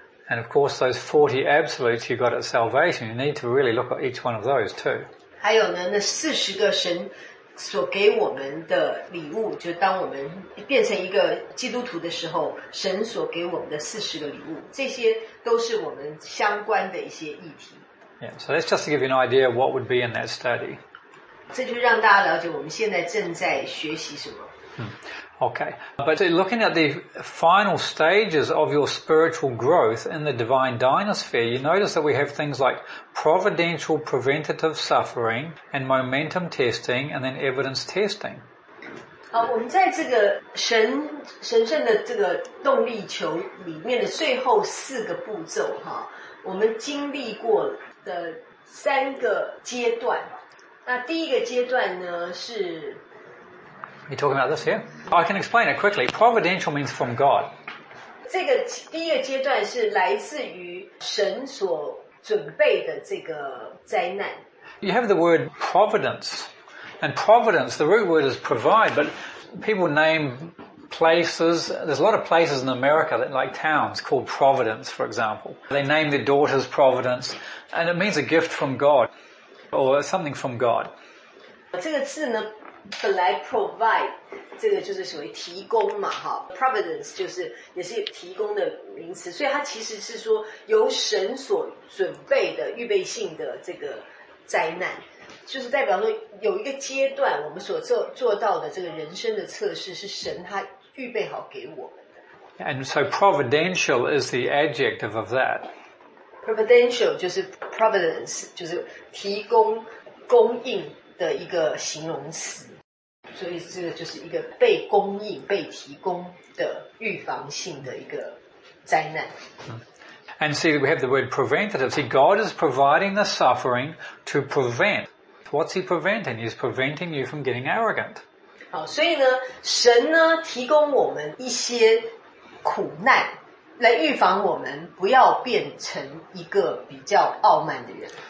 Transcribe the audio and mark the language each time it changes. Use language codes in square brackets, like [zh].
[en] And of course, those 40 absolutes you got at salvation, you need to really look at each one of those too. [zh] 还有呢，那40个神所给我们的礼物，就当我们变成一个基督徒的时候，神所给我们的40个礼物，这些都是我们相关的一些议题。 [en] Yeah, so that's just to give you an idea of what would be in that study. [zh] 这就让大家了解我们现在正在学习什么。 [en] Okay, but looking at the final stages of your spiritual growth in the divine dynosphere, you notice that we have things like providential preventative suffering and momentum testing and then evidence testing. [zh] 好，我们在这个神圣的这个动力球里面的最后四个步骤，我们经历过的三个阶段。那第一个阶段呢是 [en] You're talking about this here? I can explain it quickly. Providential means from God. [zh] 这个第一个阶段是来自于神所准备的这个灾难。 [en] You have the word providence. And providence, the root word is provide, but people name places, there's a lot of places in America that like towns called Providence, for example. They name their daughters Providence, and it means a gift from God, or something from God. [zh] 这个字呢本来 provide 这个就是所谓提供嘛，哈 ，providence 就是也是提供的名词，所以它其实是说由神所准备的预备性的这个灾难，就是代表说有一个阶段，我们所做到的这个人生的测试是神他预备好给我们的。 [en] And so providential is the adjective of that. [zh] Providential 就是 providence 就是提供供应。的一个形容词，所以这个就是一个被供应、被提供的预防性的一个灾难。 [en] And see, we have the word preventative. See, God is providing the suffering to prevent. What's He preventing? He's preventing you from getting arrogant. [zh] 好，所以呢，神呢提供我们一些苦难，来预防我们不要变成一个比较傲慢的人。